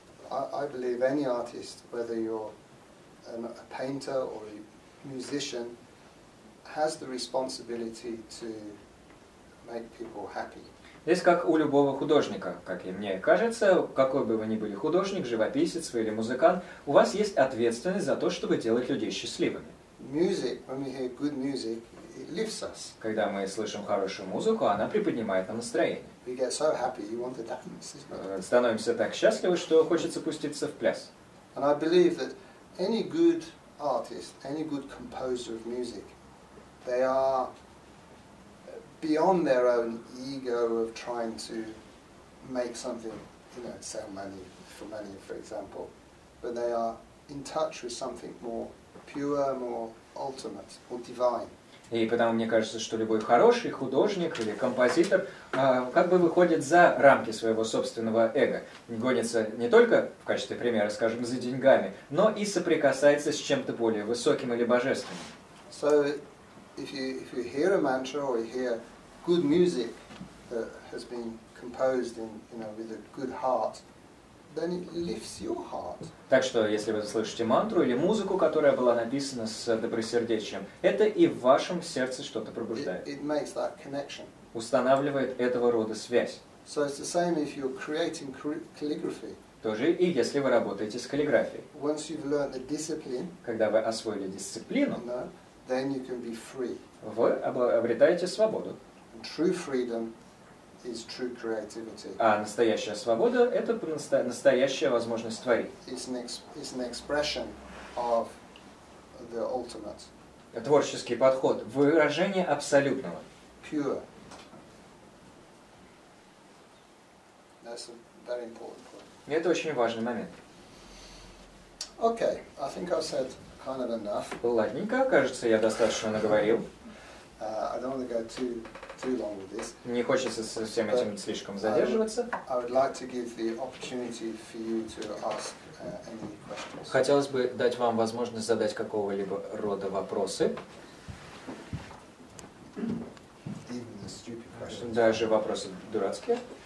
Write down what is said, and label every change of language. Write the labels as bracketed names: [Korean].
[English] I believe any artist, whether you're a painter or a musician, has the responsibility to make people happy. [Russian] Здесь как у любого художника, как и мне кажется, какой бы вы ни были художник, живописец или музыкант, у вас есть ответственность за то, чтобы делать людей счастливыми. [English] Music, when we hear good music, it lifts us. [Russian] Когда мы слышим хорошую музыку, она приподнимает нам настроение. [English] We get so happy, you want to dance. [Russian] Становимся так счастливы, что хочется пуститься в пляс. [English] And I believe that any good artist, any good composer of music, they are beyond their own ego of trying to make something, you know, sell money for money, for example. But they are in touch with something more pure, more ultimate, more divine. [Russian] И потому мне кажется, что любой хороший художник или композитор как бы выходит за рамки своего собственного эго. Гонится не только, в качестве примера, скажем, за деньгами, но и соприкасается с чем-то более высоким или божественным. [English] So, If you hear a mantra or you hear good music that has been composed in, you know, with a good heart, then it lifts your heart. [Russian] Так что если вы слышите мантру или музыку, которая была написана с добросердечием, это и в вашем сердце что-то пробуждает. [English] It makes that connection. [Russian] Устанавливает этого рода связь. [English] So it's the same if you're creating calligraphy. [Russian] Тоже и если вы работаете с каллиграфией. [English] Once you've learned the discipline. [Russian] Когда вы освоили дисциплину. [English] You know, then you can be free. [Russian] Вы обретаете свободу. [English] And true freedom is true creativity. [Russian] А настоящая свобода – это настоящая возможность творить. [English] It's an expression of the ultimate. [Russian] Творческий подход – выражение абсолютного. [English] Pure. That's a very important point. [Russian] Это очень важный момент. [English] Okay, I think I've said kind of enough. [Russian] Ладненько, кажется, я достаточно наговорил. [English] I don't want to go too long with this. [Russian] Не хочется со всем этим слишком задерживаться. [English] I would like to give the opportunity for you to ask any questions. [Russian] Хотелось бы дать вам возможность задать какого-либо рода вопросы. [English] Even the stupid questions. [Russian] Даже вопросы дурацкие.